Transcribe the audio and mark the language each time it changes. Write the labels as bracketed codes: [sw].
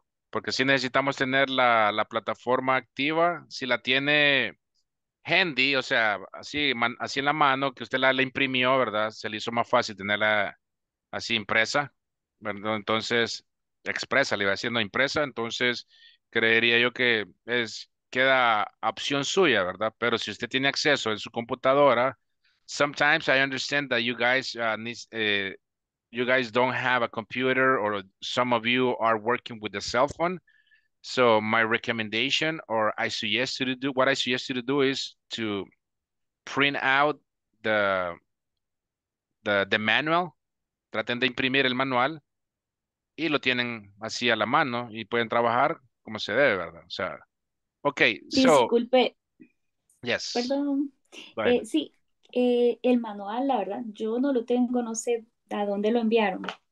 [es] Porque si necesitamos tener la plataforma activa, si la tiene handy, o sea, así en la mano, que usted la imprimió, ¿verdad? Se le hizo más fácil tenerla así impresa, ¿verdad? Entonces, expresa, le iba haciendo impresa, entonces creería yo que queda opción suya, ¿verdad? Pero si usted tiene acceso en su computadora, [en] sometimes I understand that you guys don't have a computer, or some of you are working with a cell phone. So my recommendation, or I suggest you to do is to print out the manual. [es] Traten de imprimir el manual y lo tienen así a la mano y pueden trabajar como se debe, ¿verdad? O sea, okay. Disculpe. [en] Yes. [es] Perdón. Sí, el manual, la verdad, yo no lo tengo, no sé. ¿A dónde lo enviaron?